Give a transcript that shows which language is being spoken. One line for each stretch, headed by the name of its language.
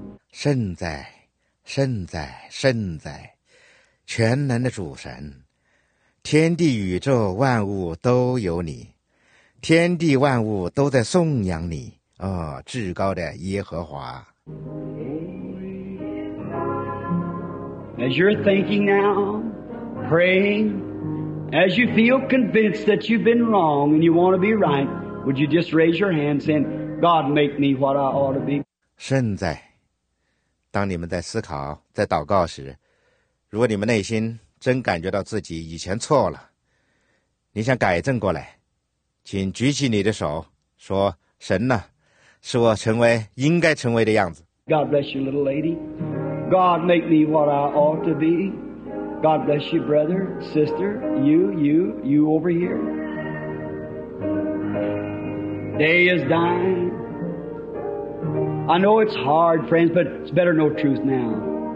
Chinese: 圣哉，圣哉，圣哉，全能的主神，天地宇宙万物都有你，天地万物都在颂扬你，哦，至高的耶和华。
English: As you're thinking now, praying, as you feel convinced that you've been wrong and you want to be right, would you just raise your hand saying, God, make me what I ought to be?
Chinese: 圣哉。当你们在思考、在祷告时，如果你们内心真感觉到自己以前错了，你想改正过来，请举起你的手，说：“神呐，使我成为应该成为的样子。”
English: God bless you, little lady. God make me what I ought to be. God bless you, brother, sister, you over here. Day is dying. I know it's hard, friends, but it's better know truth now.